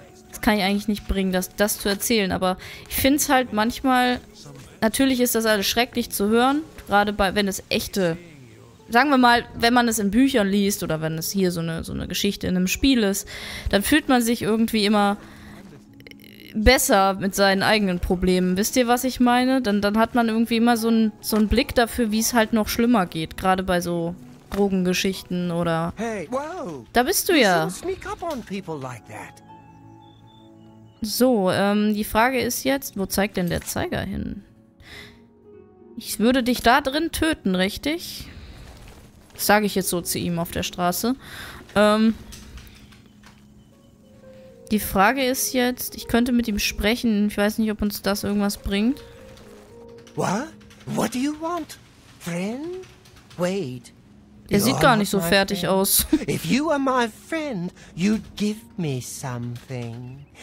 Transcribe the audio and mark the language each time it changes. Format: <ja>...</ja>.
<de>Das kann ich eigentlich nicht bringen, das zu erzählen, aber ich finde es halt manchmal, natürlich ist das alles schrecklich zu hören, gerade bei, wenn es echte, sagen wir mal, wenn man es in Büchern liest oder wenn es hier so eine Geschichte in einem Spiel ist, dann fühlt man sich irgendwie immer besser mit seinen eigenen Problemen. Wisst ihr, was ich meine? Dann hat man irgendwie immer so einen Blick dafür, wie es halt noch schlimmer geht. Gerade bei so Drogengeschichten oder...</de> <en>Hey, whoa.</en> <de>Da bist du ja.</de> <en>Sneak up on people like that.</en> <de>So, die Frage ist jetzt, wo zeigt denn der Zeiger hin? Ich würde dich da drin töten, richtig? Das sage ich jetzt so zu ihm auf der Straße. Die Frage ist jetzt, ich könnte mit ihm sprechen. Ich weiß nicht, ob uns das irgendwas bringt.</de> <en>What? What do you want? Friend? Wait.</en> <de>Er sieht gar nicht so fertig aus.</de> <en>If you are my friend, you'd give me something.</en>